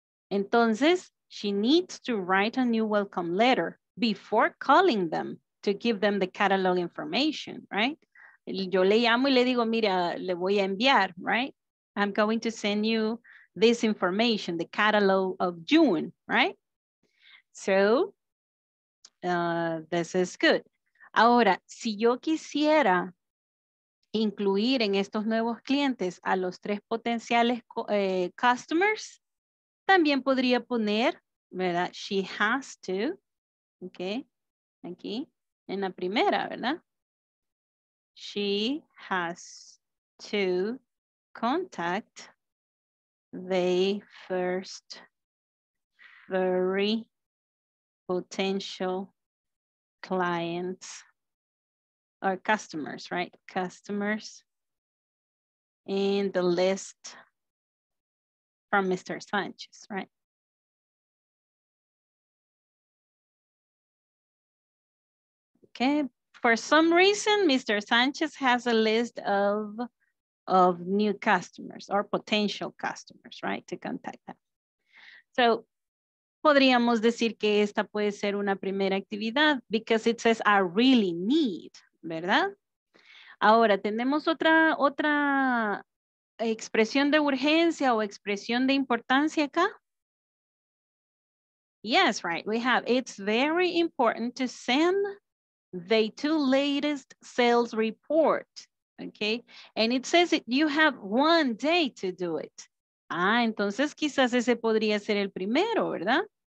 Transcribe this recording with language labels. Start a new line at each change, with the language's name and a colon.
Spanish: Entonces,
English: she needs to write a new welcome letter before calling them to give them the catalog information, right?
Spanish: Yo le llamo y le digo, mira, le voy a enviar, right?
English: I'm going to send you this information, the catalog of June, right? So, this is good.
Spanish: Ahora, si yo quisiera incluir en estos nuevos clientes a los 3 potenciales customers, también podría poner, ¿verdad?
English: She has to,
Spanish: ok, aquí, en la primera, ¿verdad?
English: She has to contact the first 3 potential clients. Our customers, right? Customers in the list from Mr. Sanchez, right? Okay, for some reason, Mr. Sanchez has a list of new customers or potential customers, right? To contact them.
Spanish: So, podríamos decir que esta puede ser una primera actividad
English: because it says, I really need.
Spanish: ¿Verdad? Ahora, tenemos otra expresión de urgencia o expresión de importancia acá.
English: Yes, right. We have, it's very important to send the 2 latest sales report. Okay. And it says that you have 1 day to do it.
Spanish: Ah, entonces quizás ese podría ser el primero, ¿verdad?